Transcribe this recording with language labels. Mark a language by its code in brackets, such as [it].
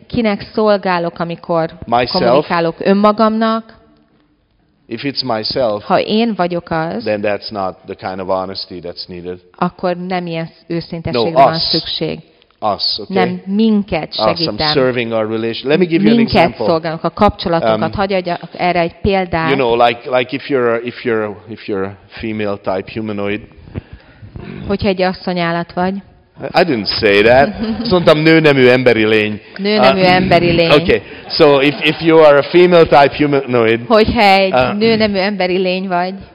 [hu] Kinek szolgálok, amikor [en] myself? [hu] Kommunikálok önmagamnak? [en] If it's myself, [hu] ha én vagyok az, [en] then that's not the kind of honesty that's needed. [hu] Akkor nem ilyen őszinteségre [en] no, [hu] van szükség. [en] Us, okay? [hu] Nem minket segítem. [en] Us, I'm serving our relation. Let me give you an example. [hu] Minket szolgálunk a kapcsolatokat. Hadd adjak erre egy példát. [en] You know, like if you're a female type humanoid. [hu] Hogyha egy asszonyállat vagy. [en] I didn't say that. [hu] Mondtam nőnemű emberi lény. Nőnemű emberi lény. [en] Okay. So if you are a female type humanoid. [hu] Hogyha egy nőnemű emberi lény vagy.